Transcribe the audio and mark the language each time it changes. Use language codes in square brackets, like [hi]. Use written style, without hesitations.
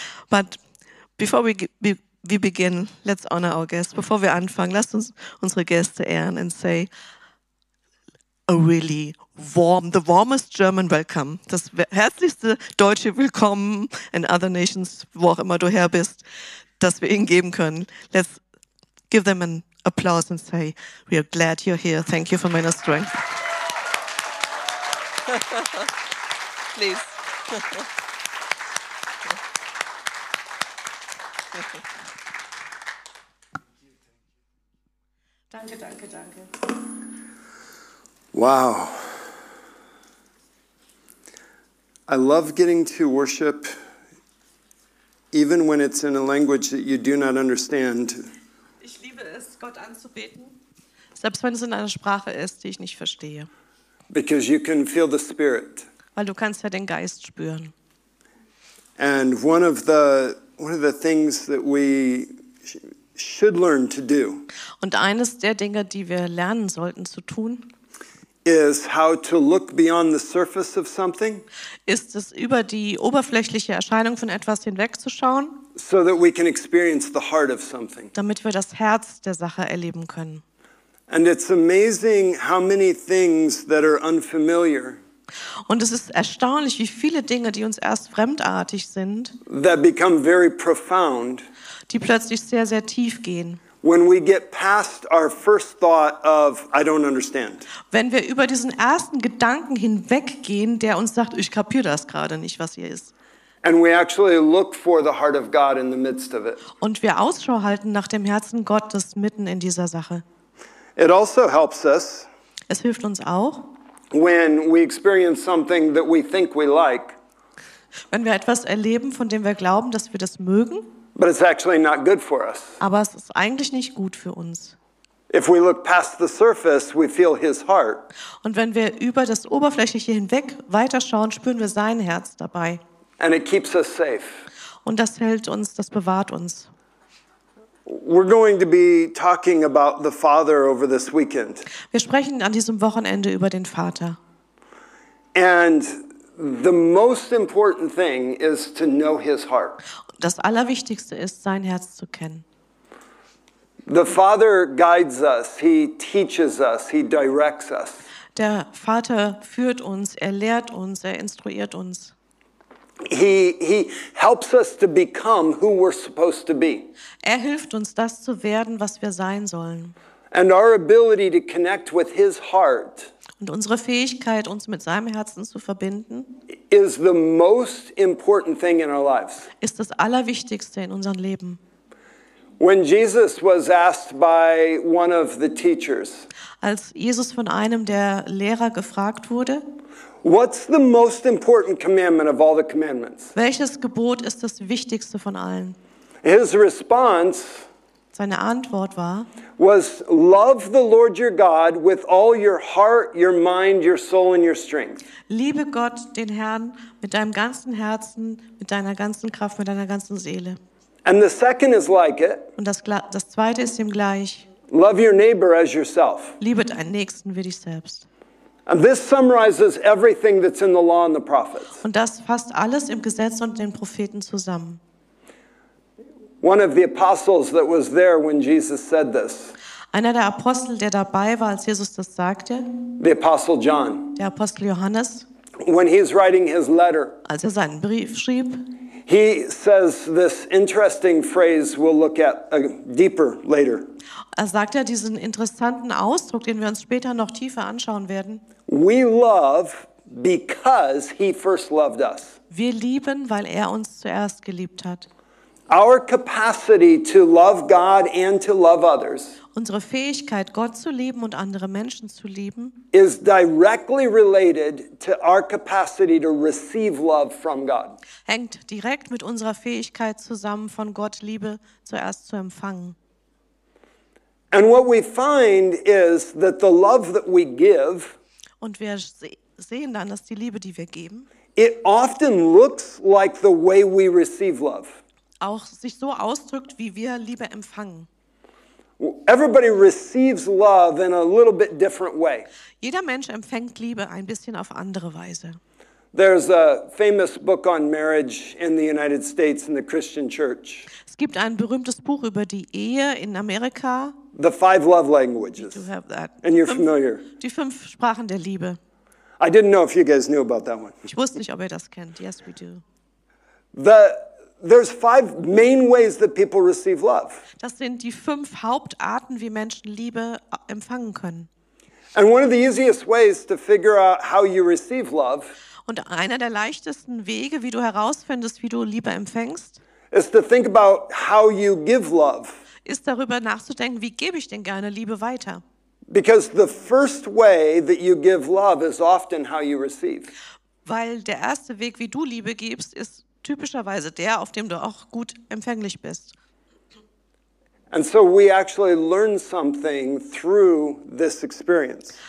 [en] But before we begin, let's honor our guests. [de] Bevor wir anfangen, lasst uns unsere Gäste ehren [en] and say a really warm, the warmest German welcome. [de] Das herzlichste deutsche Willkommen [en] in other nations, [de] wo auch immer du her bist, das wir ihnen geben können. [en] Let's give them an applause and say, we are glad you're here. Thank you for ministering. Please. [de] Danke, danke, danke. [en] Wow. I love getting to worship, even when it's in a language that you do not understand. [de] Ich liebe es, Gott anzubeten, selbst wenn es in einer Sprache ist, die ich nicht verstehe. [en] Because you can feel the spirit. [de] Weil du kannst ja den Geist spüren. [en] And one of the things that we should learn to do. [de] Und eines der Dinge, die wir lernen sollten zu tun, [en] is how to look beyond the surface of something. [de] Ist es, über die oberflächliche Erscheinung von etwas hinwegzuschauen. [en] So that we can experience the heart of something. [de] Damit wir das Herz der Sache erleben können. [en] And it's amazing how many things that are unfamiliar. [de] Und es ist erstaunlich, wie viele Dinge, die uns erst fremdartig sind, [en] that become very profound, [de] die plötzlich sehr, sehr tief gehen. [en] When we get past our first thought of I don't understand. [de] Wenn wir über diesen ersten Gedanken hinweggehen, der uns sagt, ich kapiere das gerade nicht, was hier ist. [en] And we actually look for the heart of God in the midst of it. [de] Und wir Ausschau halten nach dem Herzen Gottes mitten in dieser Sache. [en] It also helps us. [de] Es hilft uns auch. [en] When we experience something that we think we like. [de] Wenn wir etwas erleben, von dem wir glauben, dass wir das mögen. [en] But it's actually not good for us. [de] Aber es ist eigentlich nicht gut für uns. [en] If we look past the surface, we feel his heart. [de] Und wenn wir über das Oberflächliche hinweg weiterschauen, spüren wir sein Herz dabei. [en] And it keeps us safe. [de] Und das hält uns, das bewahrt uns. [en] We're going to be talking about the Father over this weekend. [de] Wir sprechen an diesem Wochenende über den Vater. [en] And the most important thing is to know his heart. [de] Das Allerwichtigste ist, sein Herz zu kennen. [en] The Father guides us, he teaches us, he directs us. [de] Der Vater führt uns, er lehrt uns, er instruiert uns. [en] He helps us to become who we're supposed to be. [de] Er hilft uns, das zu werden, was wir sein sollen. [en] And our ability to connect with his heart. [de] Und unsere Fähigkeit, uns mit seinem Herzen zu verbinden, [en] is the most important thing in our lives. [de] Ist das Allerwichtigste in unserem Leben. [en] When Jesus was asked by one of the teachers, [de] als Jesus von einem der Lehrer gefragt wurde, [en] what's the most important commandment of all the commandments? [de] Welches Gebot ist das Wichtigste von allen? [en] His response, [de] seine Antwort war, [en] was love the Lord your God with all your heart, your mind, your soul and your strength. [de] Liebe Gott, den Herrn, mit deinem ganzen Herzen, mit deiner ganzen Kraft, mit deiner ganzen Seele. [en] And the second is like it. [de] Und das zweite ist ihm gleich. [en] Love your neighbor as yourself. [de] Liebe deinen Nächsten wie dich selbst. [en] And this summarizes everything that's in the law and the prophets. [de] Und das fasst alles im Gesetz und den Propheten zusammen. [en] One of the apostles that was there when Jesus said this. [de] Einer der Apostel, der dabei war, als Jesus das sagte. [en] The apostle John. [de] Der Apostel Johannes. [en] When he's writing his letter. [de] Als er seinen Brief schrieb. [en] He says this interesting phrase we'll look at deeper later. [de] Er sagt ja diesen interessanten Ausdruck, den wir uns später noch tiefer anschauen werden. [en] We love because he first loved us. [de] Wir lieben, weil er uns zuerst geliebt hat. [en] Our capacity to love God and to love others. [de] Unsere Fähigkeit, Gott zu lieben und andere Menschen zu lieben, [en] is directly related to our capacity to receive love from God. [de] Hängt direkt mit unserer Fähigkeit zusammen, von Gott Liebe zuerst zu empfangen. [en] And what we find is that the love that we give, [de] und wir sehen dann, dass die Liebe, die wir geben, [en] it often looks like the way we receive love. [de] Auch sich so ausdrückt, wie wir Liebe empfangen. [en] Everybody receives love in a little bit different way. [de] Jeder Mensch empfängt Liebe ein bisschen auf andere Weise. [en] There's a famous book on marriage in the United States in the Christian Church. [de] Es gibt ein berühmtes Buch über die Ehe in Amerika. [en] The Five Love Languages. You have that. And you're familiar. [de] Die fünf Sprachen der Liebe. [en] I didn't know if you guys knew about that one. [de] Ich wusste nicht, ob ihr das kennt. [en] Yes, we do. There's five main ways that people receive love. [de] Das sind die fünf Hauptarten, wie Menschen Liebe empfangen können. [en] And one of the easiest ways to figure out how you receive love. [de] Und einer der leichtesten Wege, wie du herausfindest, wie du Liebe empfängst, [en] is to think about how you give love. [de] Ist darüber nachzudenken, wie gebe ich denn gerne Liebe weiter? [en] Because the first way that you give love is often how you receive. [de] Weil der erste Weg, wie du Liebe gibst, ist typischerweise der, auf dem du auch gut empfänglich bist. [en] And so we actually learn something through this experience.